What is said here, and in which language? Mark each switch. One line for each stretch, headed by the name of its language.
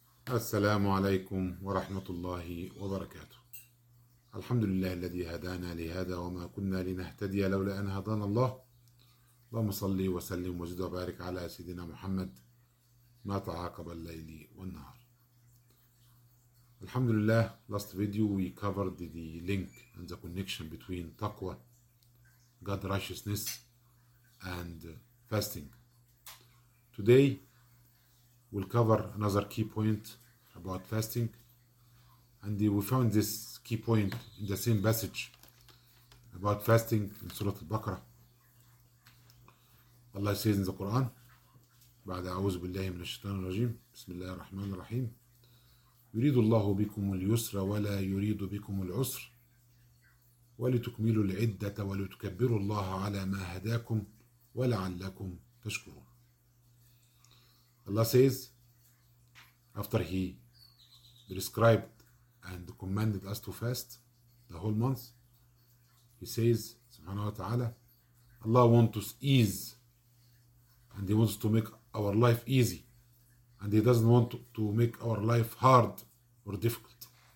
Arabic: السلام عليكم ورحمة الله وبركاته. الحمد لله الذي هدانا لهذا وما كنا لنهتدي لولا أن هدانا الله. اللهم صل وسلم وزد وبارك على سيدنا محمد ما تعاقب الليل والنهار. الحمد لله.
English: Last video we covered the link and the connection between taqwa, God righteousness, and fasting. Today we'll cover another key point about fasting, and we found this key point in the same passage about fasting in Surah Al-Baqarah. Allah says in the Quran,
Arabic: بعد أعوذ بالله من الشيطان الرجيم بسم الله الرحمن الرحيم يريد الله بكم اليسر ولا يريد بكم العسر ولتكملوا العدة ولتكبروا الله على ما هداكم ولعلكم تشكرون.
English: Allah says, after he prescribed and commanded us to fast the whole month, he says, subhanahu wa ta'ala, Allah wants to ease and he wants to make our life easy, and he doesn't want to make our life hard or difficult.